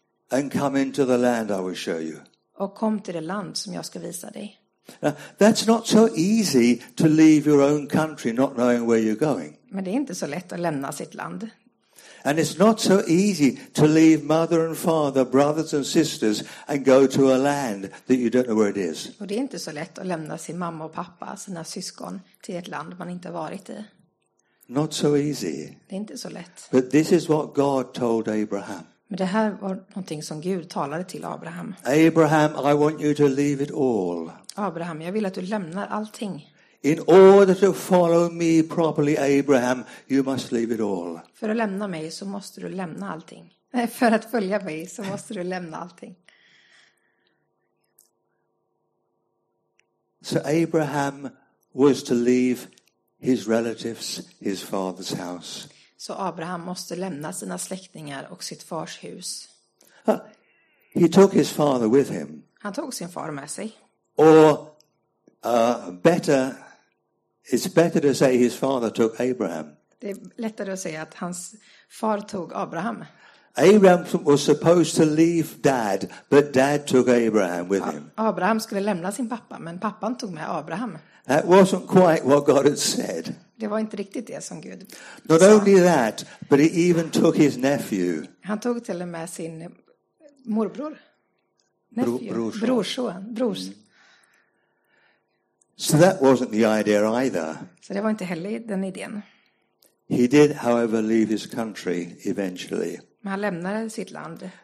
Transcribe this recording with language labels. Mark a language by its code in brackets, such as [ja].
[en] And come into the land I will show you. [sv] Och kom till det land som jag ska visa dig. [en] Now, that's not so easy to leave your own country not knowing where you're going. [sv] Men det är inte så lätt att lämna sitt land. [en] And it's not so easy to leave mother and father, brothers and sisters and go to a land that you don't know where it is. [sv] Och det är inte så lätt att lämna sin mamma och pappa, sina syskon till ett land man inte varit i. [en] Not so easy. [sv] Det är inte så lätt. [en] But this is what God told Abraham. [sv] Men det här var någonting som Gud talade till Abraham. [en] Abraham, I want you to leave it all. [sv] Abraham, jag vill att du lämnar allting. [en] In order to follow me properly, Abraham, you must leave it all. [sv] För att lämna mig så måste du lämna allting. Nej, för att följa mig så måste du lämna allting. [en] So Abraham was to leave his relatives, his father's house. [sv] Så Abraham måste lämna sina släktingar och sitt fars hus. [en] He took his father with him. [sv] Han tog sin far med sig. [en] Or it's better to say his father took Abraham. [sv] Det är lättare att säga att hans far tog Abraham. [en] Abraham was supposed to leave dad, but dad took Abraham with him. [sv] Abraham skulle lämna sin pappa, men pappan tog med Abraham. [en] That wasn't quite what God had said. [sv] Det var inte riktigt det som Gud sa. [en] Not only that, but he even took his nephew. [sv] Han tog till och med sin morbror. Brorson. [en] So that wasn't the idea either. [sv] Så det var inte heller den idén. [en] He did, however, leave his country eventually. [sv] Men han lämnade sitt land.